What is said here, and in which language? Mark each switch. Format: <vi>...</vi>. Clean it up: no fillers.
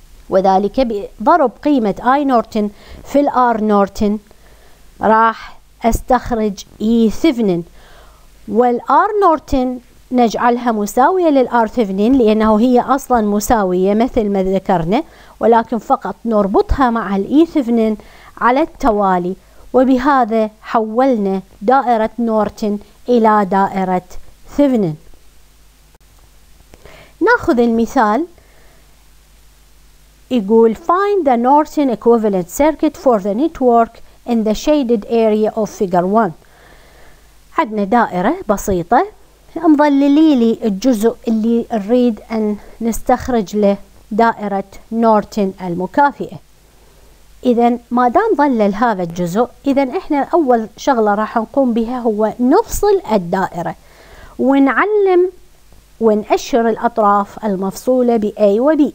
<ar>وذلك بضرب قيمة آي نورتن في الآر نورتن راح أستخرج إي ثيفنين، والآر نورتن نجعلها مساوية للآر ثيفنين لأنه هي أصلا مساوية مثل ما ذكرنا، ولكن فقط نربطها مع الإي ثيفنين على التوالي، وبهذا حولنا دائرة نورتن إلى دائرة ثيفنين. نأخذ المثال، يقول</ar> <en>find the Norton equivalent circuit for the network in the shaded area of figure 1.</en> <ar>عندنا دائرة بسيطة، مظللي لي الجزء اللي نريد أن نستخرج له دائرة نورتن المكافئة. إذا ما دام ظلل هذا الجزء، إذا إحنا أول شغلة راح نقوم بها هو نفصل الدائرة ونعلم ونأشر الأطراف المفصولة بـ A و B.</ar>